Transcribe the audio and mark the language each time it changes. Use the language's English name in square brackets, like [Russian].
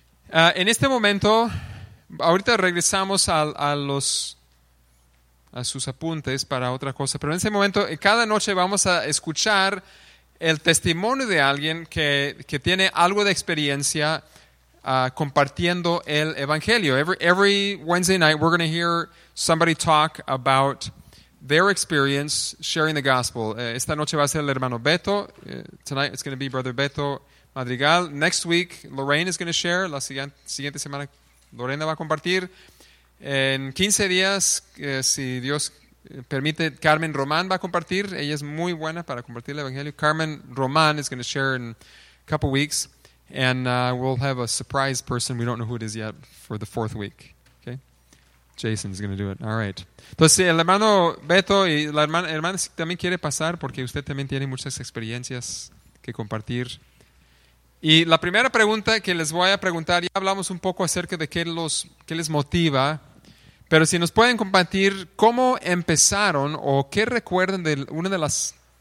[Spanish] En este momento, ahorita regresamos a sus apuntes para otra cosa. Pero en este momento, cada noche vamos a escuchar el testimonio de alguien que tiene algo de experiencia compartiendo el evangelio. [English] Every Wednesday night we're going to hear somebody talk about their experience sharing the gospel. [Spanish] Esta noche va a ser el hermano Beto. [English] Tonight it's going to be Brother Beto Madrigal. Next week Lorraine is going to share. [Spanish] La siguiente semana Lorena va a compartir. En 15 días, si Dios permite, Carmen Román va a compartir. Ella es muy buena para compartir el evangelio. [English] Carmen Román is going to share in a couple weeks. And we'll have a surprise person. We don't know who it is yet for the fourth week. Okay, Jason's going to do it. All right. [Spanish] Entonces, el hermano Beto y la hermana también quiere pasar porque usted también tiene muchas experiencias que compartir. Y la primera pregunta que les voy a preguntar, ya hablamos un poco acerca de qué les motiva, pero si nos pueden compartir cómo empezaron o qué recuerdan de una de las...